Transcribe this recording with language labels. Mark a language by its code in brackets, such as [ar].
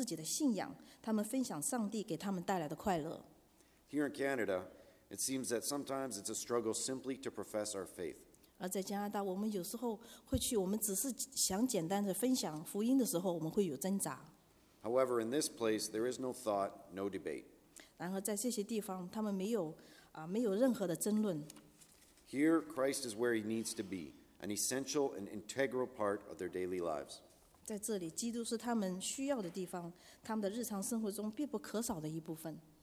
[zh] 他们非常直接地表达他们自己的信仰，他们分享上帝给他们带来的快乐。 [en] Here in Canada, it seems that sometimes it's a struggle simply to profess our faith. [zh] 而在加拿大，我们有时候会去，我们只是想简单地分享福音的时候，我们会有挣扎。 [en] However, in this place, there is no thought, no debate. [zh] 然后在这些地方，他们没有任何的争论。 [en] Here, Christ is where he needs to be, an essential and integral part of their daily lives. [zh] 在这里, 基督是他们需要的地方, 他们的日常生活中必不可少的一部分。